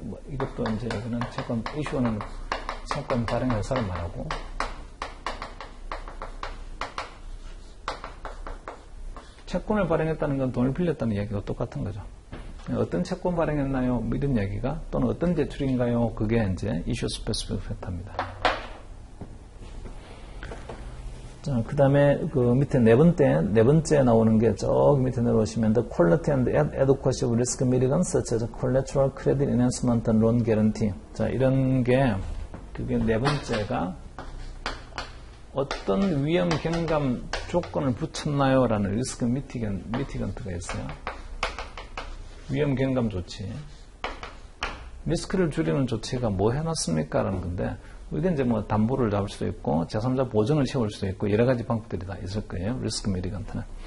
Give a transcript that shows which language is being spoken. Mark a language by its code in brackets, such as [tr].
[ko] 이것도 이제 여기는 채권, 이슈는 채권 발행 회사를 말하고, 채권을 발행했다는 건 돈을 빌렸다는 얘기가 똑같은 거죠. 어떤 채권 발행했나요? 이런 얘기가, 또는 어떤 대출인가요? 그게 이제 이슈 스페시픽 팩터입니다. 그 다음에 그 밑에 네 번째 나오는 게 저기 밑에 내려오시면 [en] The quality and adequacy of risk mitigants such as collateral credit enhancement and loan guarantee. [ko] 자, 이런 게 그게 네 번째가 어떤 위험 경감 조건을 붙였나요? 라는 risk mitigant가 있어요. 위험 경감 조치. 리스크를 줄이는 조치가 뭐 해놨습니까? 라는 건데, 이게 이제 뭐 담보를 잡을 수도 있고, 제3자 보증을 채울 수도 있고, 여러 가지 방법들이 다 있을 거예요. 리스크 미리건트는.